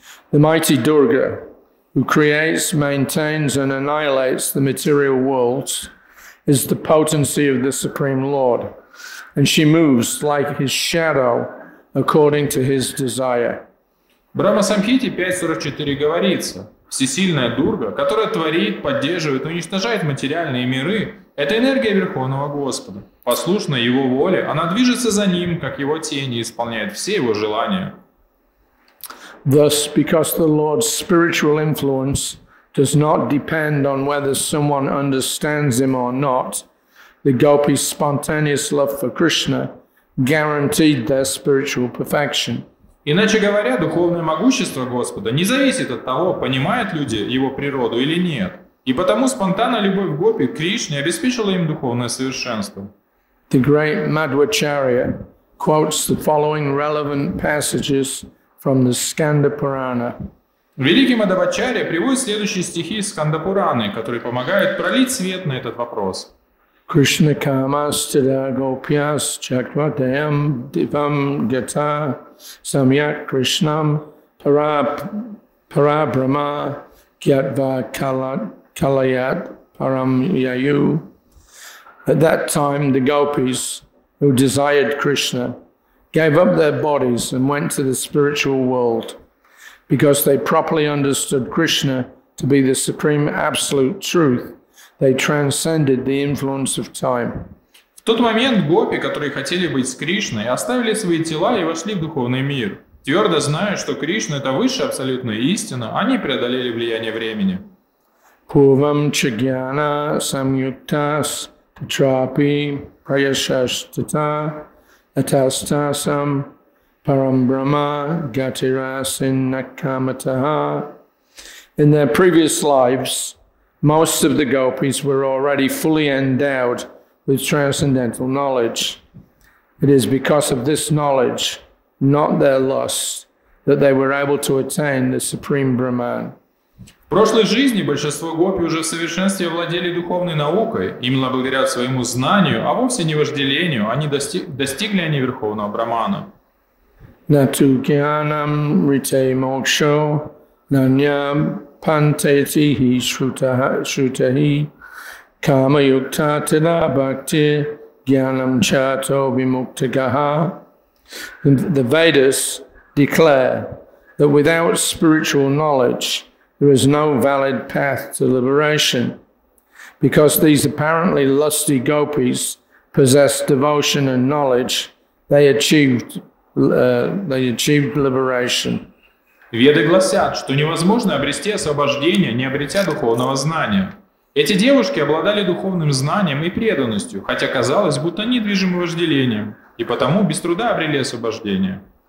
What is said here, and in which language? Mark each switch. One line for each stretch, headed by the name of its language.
English: The mighty Durga, who creates, maintains, and annihilates the material worlds, is the potency of the Supreme Lord, and she moves like his shadow according to his desire.
Russian: Брахма-самхите 5.44 говорится, всесильная Дурга, которая творит, поддерживает и уничтожает материальные миры, это энергия Верховного Господа. Послушна его воле, она движется за ним, как его тень, и исполняет все его желания.
English: Thus, because the Lord's spiritual influence does not depend on whether someone understands him or not, the gopis' spontaneous love for Krishna guaranteed their spiritual perfection.
Russian: Иначе говоря, духовное могущество Господа не зависит от того, понимают люди его природу или нет. И потому спонтанная любовь гопи к Кришне обеспечила им духовное совершенство.
English: The great Madhvacharya quotes the following relevant passages from the Skanda Purana.
Russian: Великий Мадхвачарья приводит следующие стихи из Сканда Пураны, которые помогают пролить свет на этот вопрос.
Sanskrit: Krishna kamastida gopyas chakvadayam divam gita samyak krishnam parabrahma gyatva kalayat param yayu.
English: At that time, the gopis who desired Krishna gave up their bodies and went to the spiritual world because they properly understood Krishna to be the supreme absolute truth. They transcended the influence of time.
Russian: В тот момент гопи, которые хотели быть с Кришной, оставили свои тела и вошли в духовный мир. Твердо зная, что Кришна – это высшая абсолютная истина, они преодолели влияние времени.
Sanskrit: Пурвам чагьяна самьюктас тетрапи прайяшаштата атастасам парамбрама гатирасин накаматаха.
English: In their previous lives, most of the gopis were already fully endowed with transcendental knowledge. It is because of this knowledge, not their lust, that they were able to attain the supreme Brahman.
Russian: В прошлой жизни большинство гопи уже в совершенстве владели духовной наукой. Именно благодаря своему знанию, а вовсе не вожделению, они достигли они верховного Брахмана.
Sanskrit: Нату гьянам рите мокшо наньям пантетихи шрутахи кама юкта тина бхакти гьянам чато вимукта гаха.
English: The Vedas declare that without spiritual knowledge, there is no valid path to liberation. Because these apparently lusty gopis possessed devotion and knowledge, they achieved liberation.
Russian: Веды гласят, что невозможно обрести освобождение, не обретя духовного знания. Эти девушки обладали духовным знанием и преданностью, хотя казалось, будто они движимы вожделением, и потому без труда обрели освобождение.